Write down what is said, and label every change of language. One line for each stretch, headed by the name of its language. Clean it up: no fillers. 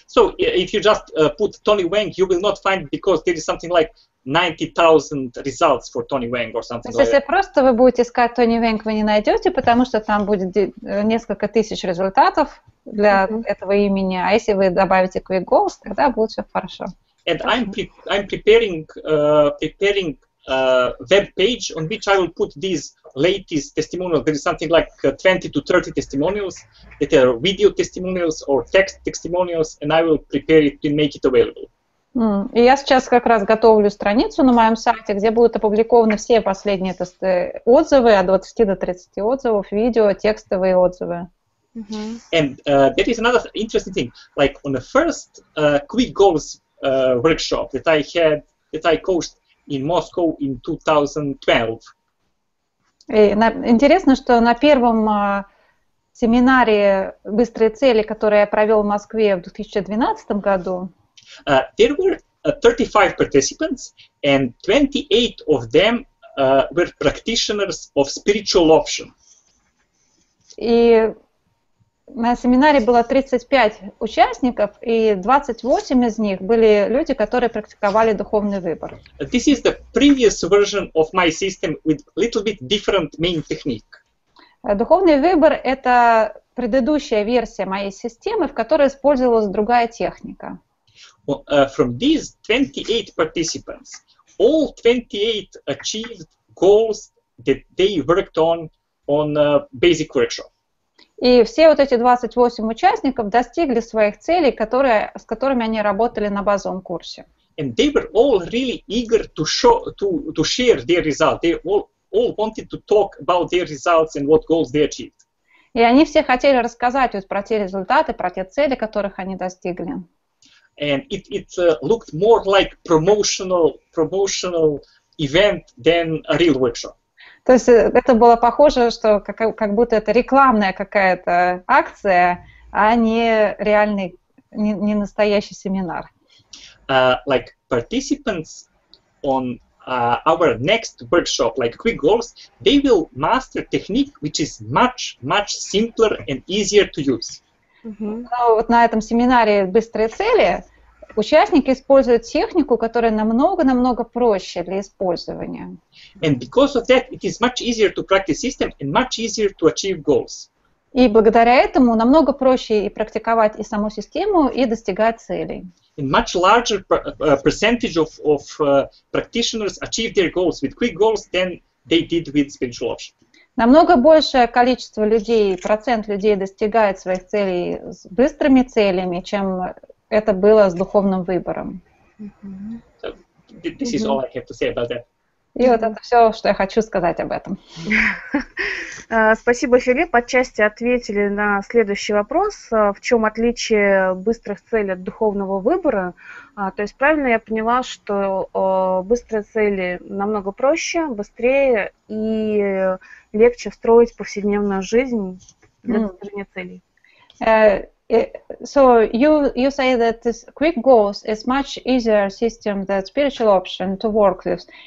English: So if you just put Tony Wang, you will not find, because there is something like 90,000 results for Tony Wang or something like that.
Russian: Если просто вы будете искать Tony Wang, вы не найдете, потому что там будет несколько тысяч результатов для этого имени. А если вы добавите Quick Goals, тогда будет все хорошо.
English: And I'm preparing web page on which I will put these latest testimonials. There is something like 20 to 30 testimonials that are video testimonials or text testimonials, and I will prepare it to make it available.
Russian: И я сейчас как раз готовлю страницу на моем сайте, где будут опубликованы все последние тесты, отзывы, от 20 до 30 отзывов, видео, текстовые отзывы.
English: And there is another interesting thing. Like on the first Quick Goals workshop that I had, that I coached in Moscow in 2012.
Russian: И интересно, что на первом семинаре «Быстрые цели», который я провел в Москве в 2012 году,
English: There were 35 participants, and 28 of them were practitioners of spiritual option.
Russian: И на семинаре было 35 участников, и 28 из них были люди, которые практиковали духовный выбор.
English: This is the previous version of my system with a little bit different main technique.
Russian: Духовный выбор — это предыдущая версия моей системы, в которой использовалась другая техника.
English: From these 28 participants, all 28 achieved goals that they worked on a basic workshop.
Russian: И все вот эти 28 участников достигли своих целей, с которыми они работали на базовом курсе.
English: And they were all really eager to share their results. They all wanted to talk about their results and what goals they achieved.
Russian: И они все хотели рассказать вот про те результаты, про те цели, которых они достигли.
English: And it looked more like promotional event than a real workshop.
Russian: То есть это было похоже, что как будто это рекламная какая-то акция, а не реальный, не настоящий семинар.
English: Like participants on our next workshop, like Quick Goals, they will master technique which is much, much simpler and easier to use.
Russian: Но вот на этом семинаре «Быстрые цели» участники используют технику, которая намного-намного проще для использования.
English: And because of that, it is much easier to practice system and much easier to achieve goals.
Russian: И благодаря этому намного проще и практиковать и саму систему, и достигать целей.
English: And much larger percentage of practitioners achieve their goals with quick goals than they did with spiritual option.
Russian: Намного большее количество людей, процент людей достигает своих целей с быстрыми целями, чем это было с духовным выбором.
English: This is all I have to say about that.
Russian: И вот это все, что я хочу сказать об этом. Спасибо, Филипп. Отчасти ответили на следующий вопрос. В чем отличие быстрых целей от духовного выбора? То есть правильно я поняла, что быстрые цели намного проще, быстрее и легче встроить повседневную жизнь для достижения целей.
English: So you say that this quick goals is much easier system than spiritual option to work with.